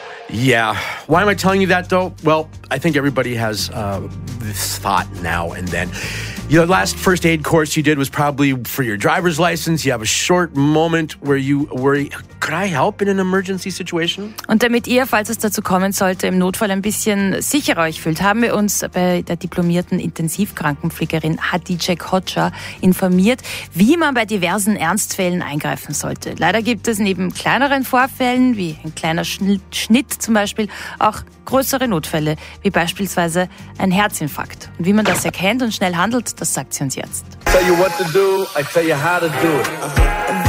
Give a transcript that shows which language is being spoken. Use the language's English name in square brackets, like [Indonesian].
[English] Yeah. Why am I telling you that, though? Well, I think everybody has this thought now and then. You know, the last first aid course you did was probably for your driver's license. You have a short moment where you worry, could I help in an emergency situation? [German] Und damit ihr, falls es dazu kommen sollte, im Notfall ein bisschen sicherer euch fühlt, haben wir uns bei der diplomierten Intensivkrankenpflegerin Hatice Kocha informiert, wie man bei diversen Ernstfällen eingreifen sollte. Leider gibt es neben kleineren Vorfällen, wie ein kleiner Schnitt zum Beispiel, auch größere Notfälle, wie beispielsweise ein Herzinfarkt. Und wie man das erkennt und schnell handelt, das sagt sie uns jetzt. [English] I tell you what to do, I tell you how to do it.